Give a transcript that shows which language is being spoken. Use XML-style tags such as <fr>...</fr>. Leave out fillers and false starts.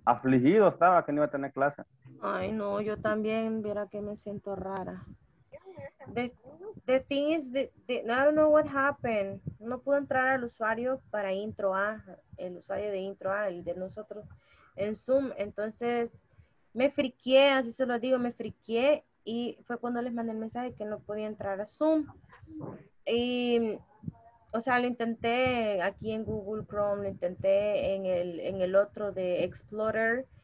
<es>Afligido estaba que no iba a tener clase. Ay, no, yo también, viera que me siento rara.</es> <en>The thing is, I don't know what happened.</en> <es>No pudo entrar al usuario para intro A, el usuario de intro A, el de nosotros en Zoom. Entonces, me friqué, así se lo digo, me friqué. Y fue cuando les mandé el mensaje que no podía entrar a Zoom. Y... O sea, lo intenté aquí en Google Chrome, lo intenté en el otro de Explorer.</es>